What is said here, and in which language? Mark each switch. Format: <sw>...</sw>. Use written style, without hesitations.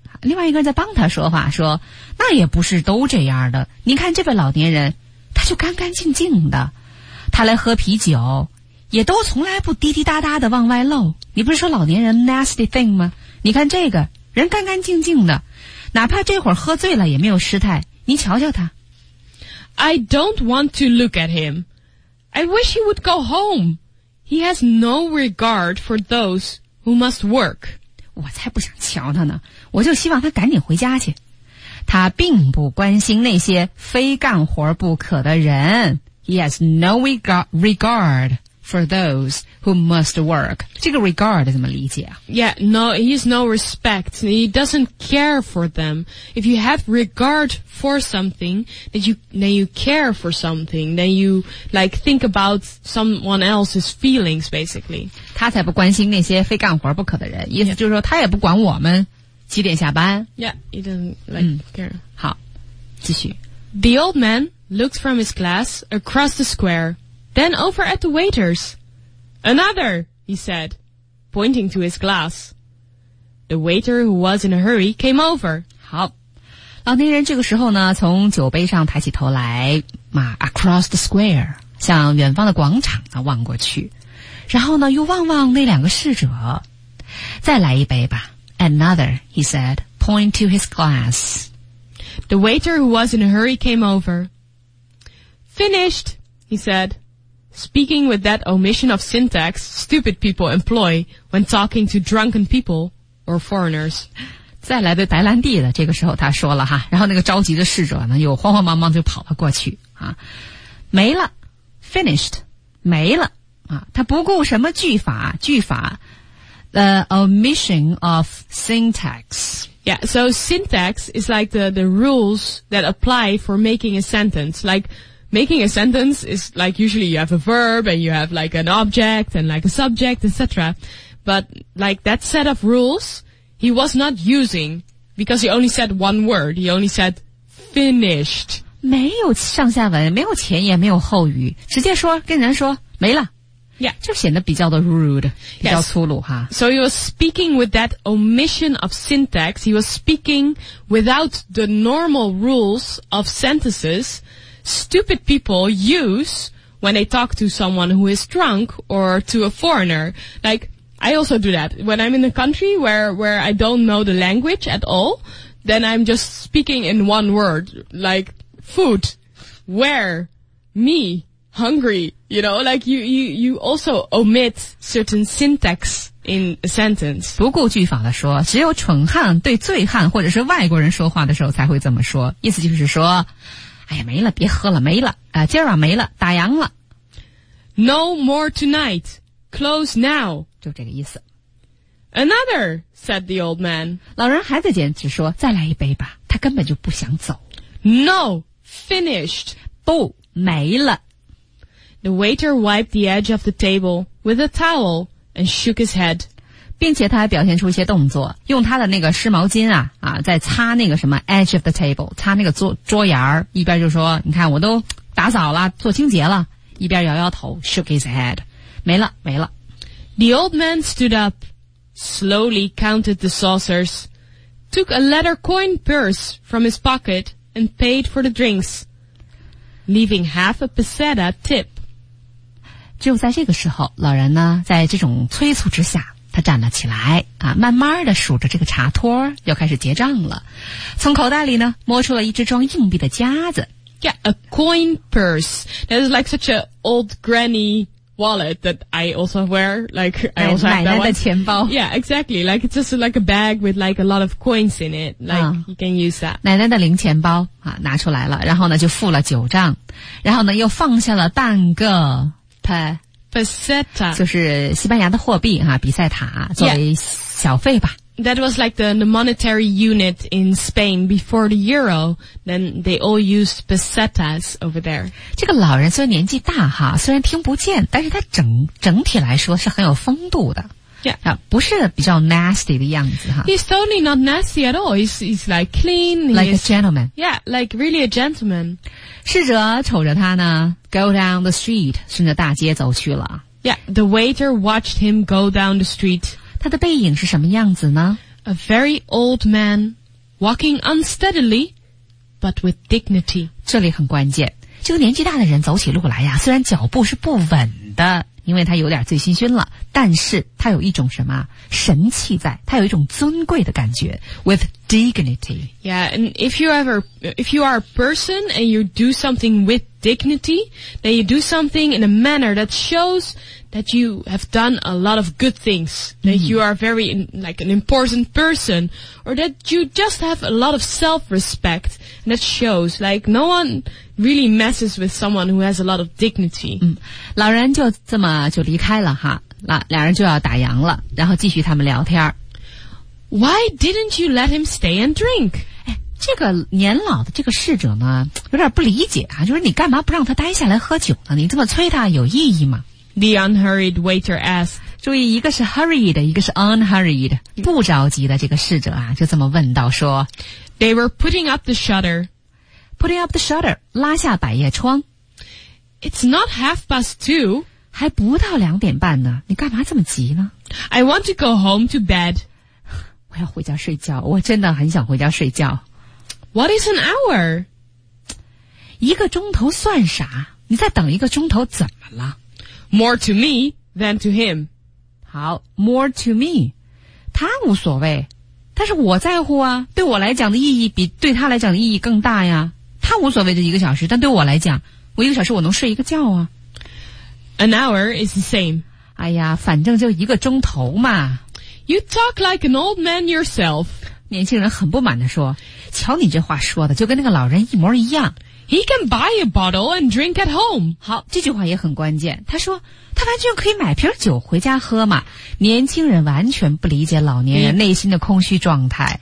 <zh>另外一个人在帮他说话，说那也不是都这样的。你看这位老年人，他就干干净净的，他来喝啤酒。也都从来不滴滴答答的往外漏。你不是说老年人</zh> <en>nasty thing</en> <zh>吗？你看这个人干干净净的，哪怕这会儿喝醉了也没有失态。你瞧瞧他。</zh> <en>I don't want to look at him. I wish he would go home. He has no regard for those who must work.</en> <zh>我才不想瞧他呢，我就希望他赶紧回家去。他并不关心那些非干活不可的人。</zh> <en>He has no regard. For those who must work.</en> <zh>这个 regard 怎么理解啊？</zh> <en>Yeah, no, he has no respect. He doesn't care for them. If you have regard for something, then you care for something, then you, like, think about someone else's feelings, basically.</en> <zh>他才不关心那些非干活不可的人。意思就是说他也不管我们几点下班。</zh> <en>Yeah, he doesn't, like, care.</en> <zh>好，继续。</zh> <en>The old man looked from his glass across the square. Then over at the waiters. Another, he said, pointing to his glass. The waiter who was in a hurry came over.</en> <zh>好，老年人这个时候呢，从酒杯上抬起头来，嘛 ,</zh> <en>across the square,</en> <zh>向远方的广场呢望过去。然后呢又望望那两个侍者。再来一杯吧。</zh> <en>Another, he said, point to his glass. The waiter who was in a hurry came over. Finished, he said. Speaking with that omission of syntax stupid people employ when talking to drunken people or foreigners.</en> <zh>再来的白兰地的这个时候他说了哈，然后那个着急的侍者呢又慌慌忙忙就跑了过去啊，没了 ,</zh> <en>finished,</en> <zh>没了啊，他不顾什么句法 ,</zh> <en>the omission of syntax. Yeah, so syntax is like the rules that apply for making a sentence, likeMaking a sentence is like usually you have a verb and you have like an object and like a subject, etc. But like that set of rules he was not using because he only said one word. He only said finished.</en> <zh>没有上下文，没有前言，没有后语，直接说跟人说没了。</zh> <en>Yeah.</en> <zh>就显得比较的 rude, 比较粗鲁哈。</zh> <en>So he was speaking with that omission of syntax. He was speaking without the normal rules of sentences. Stupid people use when they talk to someone who is drunk or to a foreigner. Like, I also do that. When I'm in a country where I don't know the language at all, then I'm just speaking in one word. Like, food. Where? Me. hungry, you know, like you also omit certain syntax in a sentence.</en> <zh>不顾句法的说，只有蠢汉对醉汉或者是外国人说话的时候才会这么说。意思就是说，哎呀，没了，别喝了，没了，今儿啊没了，打烊了。</zh> <en>No more tonight. Close now.</en> <zh>就这个意思。</zh> <en>Another, said the old man.</en> <zh>老人还在坚持说，再来一杯吧，他根本就不想走。</zh> <en>No, finished.</en> <zh>不，没了。</zh> <en>The waiter wiped the edge of the table with a towel and shook his head.</en> <zh>并且他还表现出一些动作，用他的那个湿毛巾在擦那个什么</zh> <en>edge of the table,</en> <zh>擦那个桌沿儿，一边就说你看我都打扫了，做清洁了，一边摇摇头</zh> <en>shook his head.</en> <zh>没了，没了。</zh> <en>The old man stood up, slowly counted the saucers, took a leather coin purse from his pocket and paid for the drinks, leaving half a peseta tip.</en> <zh>只有在这个时候，老人呢，在这种催促之下，他站了起来，慢慢地数着这个茶托，又开始结账了。从口袋里呢，摸出了一只装硬币的夹子。</zh> <en>Yeah, a coin purse. That is like such an old granny wallet that I also wear. Like, I also have that one.</en> <zh>奶奶的钱包。</zh> <en>Yeah, exactly. Like, it's just like a bag with like a lot of coins in it. Like, you can use that.</en> <zh>奶奶的零钱包，拿出来了，然后呢，就付了九账，然后呢，又放下了半个。</zh> <en>Peseta</en> <zh>就是西班牙的货币比塞塔作为小费吧。</zh> <en>Yeah. That was like the monetary unit in Spain before the euro. Then they all used pesetas over there.</en> <zh>这个老人虽然年纪大虽然听不见，但是他整体来说是很有风度的。</zh> <en>Yeah.</en> <zh>不是比较 nasty 的样子</zh> <en>He's totally not nasty at all. He's like clean. Like a gentleman. Yeah, like really a gentleman.</en> <zh>侍者瞅着他呢 ,</zh> <en>go down the street,</en> <zh>顺着大街走去了。</zh> <en>Yeah, the waiter watched him go down the street.</en> <zh>他的背影是什么样子呢</zh> <en>?A very old man, walking unsteadily, but with dignity.</en> <zh>这里很关键。这个年纪大的人走起路来虽然脚步是不稳的，因为他有点醉醺醺了，但是他有一种什么神气在，他有一种尊贵的感觉 ,</zh> <en>with dignity. Yeah, and if you are a person and you do something with dignity, then you do something in a manner that shows that you have done a lot of good things, that you are very, like, an important person, or that you just have a lot of self-respect, and that shows, like, no one really messes with someone who has a lot of dignity.</en> <zh>老人就这么就离开了俩人就要打烊了，然后继续他们聊天。</zh> <en>Why didn't you let him stay and drink?</en> <zh>这个年老的这个侍者呢，有点不理解就是你干嘛不让他待下来喝酒呢？你这么催他有意义吗？</zh> <en>The unhurried waiter asked.</en> <zh>注意，一个是 hurried， 一个是 unhurried， 不着急的这个侍者就这么问到说。</zh> <en>They were putting up the shutter. Putting up the shutter，</en> <zh>拉下百叶窗。</zh> <en>It's not half past two.</en> <zh>还不到两点半呢，你干嘛这么急呢？</zh> <en>I want to go home to bed.</en> <zh>我要回家睡觉，我真的很想回家睡觉。</zh> <en>What is an hour?</en> <zh>一个钟头算啥？你再等一个钟头怎么了？</zh> <en>More to me than to him. 好， more to me.</en> <zh>他无所谓，但是我在乎啊，对我来讲的意义比对他来讲的意义更大呀。他无所谓这一个小时，但对我来讲，我一个小时我能睡一个觉啊。</zh> <en>An hour is the same.</en> <zh>哎呀，反正就一个钟头嘛。</zh> <en>You talk like an old man yourself.</en> <zh>年轻人很不满地说，瞧你这话说的就跟那个老人一模一样。</zh> <en>He can buy a bottle and drink at home.</en> <zh>好，这句话也很关键。他说，他完全可以买瓶酒回家喝嘛。年轻人完全不理解老年人内心的空虚状态。</zh>